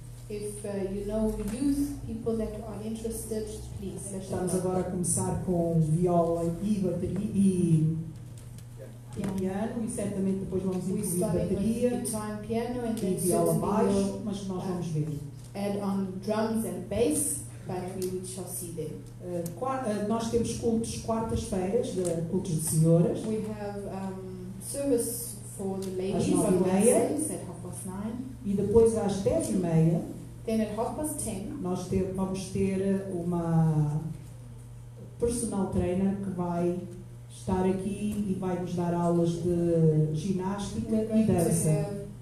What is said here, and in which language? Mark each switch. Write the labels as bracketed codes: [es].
[en] If you know youth people that are interested, please. [pt] Estamos agora a começar com viola e bateria e piano, e certamente depois vamos incluir bateria [en] guitar, piano, and then [pt] e viola baixo, mas nós vamos ver. [en] Add on drums and bass, but we shall see them. [pt] Nós temos cultos quartas-feiras, de cultos de senhoras. [en] We have service for the ladies [pt] às [en] 9:30 at 9:30. [pt] E depois às 10:30, [en] then at 10:30, [pt] nós vamos ter uma personal trainer que vai estar aqui e vai nos dar aulas de ginástica e dança.